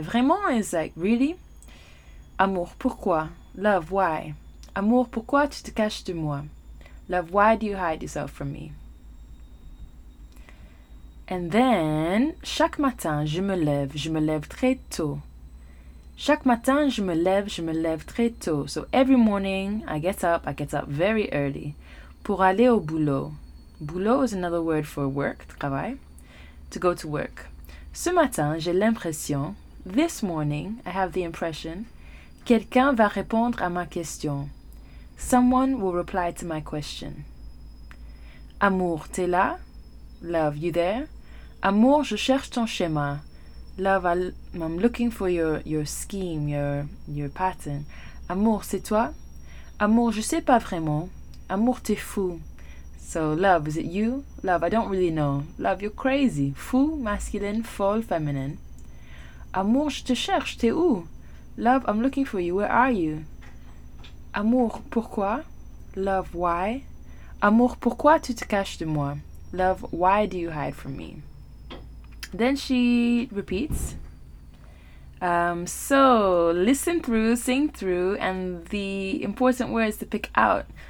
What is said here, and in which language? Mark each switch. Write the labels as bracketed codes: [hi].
[en] Vraiment is like, really? [fr] Amour, pourquoi? [en] Love, why? [fr] Amour, pourquoi tu te caches de moi? [en] Love, why do you hide yourself from me? And then, [fr] chaque matin, je me lève très tôt. Chaque matin, je me lève très tôt. [en] So every morning, I get up very early. [fr] Pour aller au boulot. Boulot [en] is another word for work, [fr] travail. [en] To go to work. [fr] Ce matin, j'ai l'impression, [en] this morning, I have the impression, [fr] quelqu'un va répondre à ma question. [en] Someone will reply to my question. [fr] Amour, t'es là? [en] Love, you there? [fr] Amour, je cherche ton schéma. [en] Love, I'm looking for your scheme, your pattern. [fr] Amour, c'est toi? Amour, je sais pas vraiment. Amour, t'es fou. [en] So, love, is it you? Love, I don't really know. Love, you're crazy. Fou, masculine, folle, feminine. [fr] Amour, je te cherche, t'es où? [en] Love, I'm looking for you, where are you? [fr] Amour, pourquoi? [en] Love, why? [fr] Amour, pourquoi tu te caches de moi? [en] Love, why do you hide from me? Then she repeats. So, listen through, sing through, and the important words to pick out.